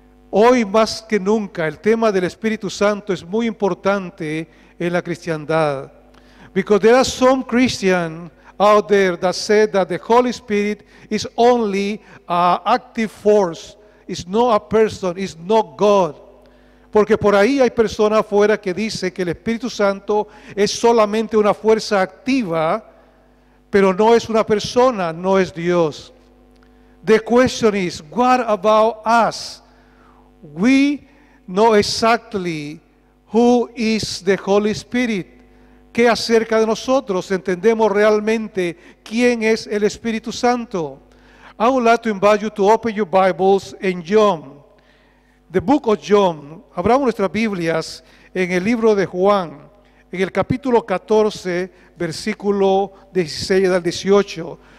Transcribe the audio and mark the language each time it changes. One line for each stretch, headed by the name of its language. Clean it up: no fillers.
Spanish: Hoy más que nunca, el tema del Espíritu Santo es muy importante en la cristiandad.
English: Because there are some Christians out there that say that the Holy Spirit is only an active force, is not a person, is not God.
Spanish: Porque por ahí hay personas afuera que dicen que el Espíritu Santo es solamente una fuerza activa, pero no es una persona, no es Dios.
English: The question is, what about us? We know exactly who is the Holy Spirit.
Spanish: ¿Qué acerca de nosotros entendemos realmente quién es el Espíritu Santo?
English: I would like to invite you to open your Bibles in John. The book of John.
Spanish: Abramos nuestras Biblias en el libro de Juan, en el capítulo 14, versículo 16 al 18.